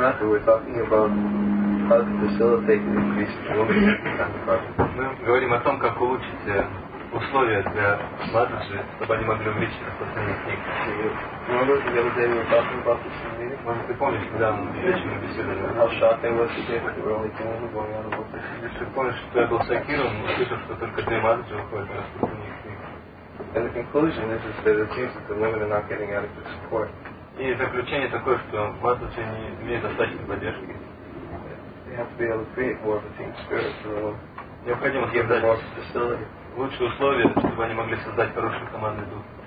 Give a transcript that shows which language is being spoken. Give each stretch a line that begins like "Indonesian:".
English: Ratha, we're talking about how to facilitate an increase in women in the Sankirtan.
Russian: Мы говорим о том, как улучшить условия для Матаджи, чтобы они могли увеличить распространение книг.
English: And the conclusion is that it seems that the women are not getting adequate support.
Russian: И заключение такое, что Матаджи не имеет достаточной поддержки.
English: They have to be able to create more of a team spirit for the women.
Russian: Необходимо создать лучшие условия, чтобы они могли создать хороший командный дух.